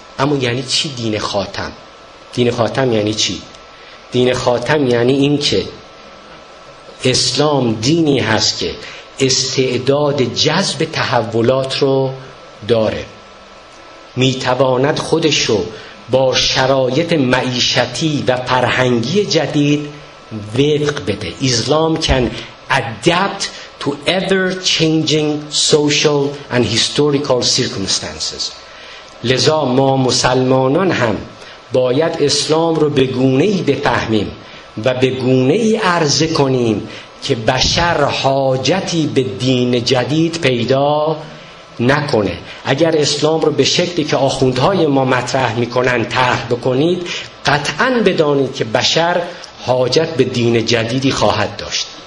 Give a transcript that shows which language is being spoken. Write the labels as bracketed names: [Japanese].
[Persian] اما یعنی چی دین خاتم؟ دین خاتم یعنی چی؟ دین خاتم یعنی این که اسلام دینی هست که استعداد جذب تحولات رو داره، میتواند خودش رو با شرایط معیشتی و فرهنگی جدید وفق بده. [English] اسلام can adapt to ever changing social and historical circumstances. [Persian] لذا ما مسلمانان هم باید اسلام رو به گونه‌ای بفهمیم و به گونه‌ای عرضه کنیم که بشر حاجتی به دین جدید پیدا نکنه. اگر اسلام رو به شکلی که آخوندهای ما مطرح میکنن طرح بکنید، قطعاً بدانید که بشر حاجت به دین جدیدی خواهد داشت.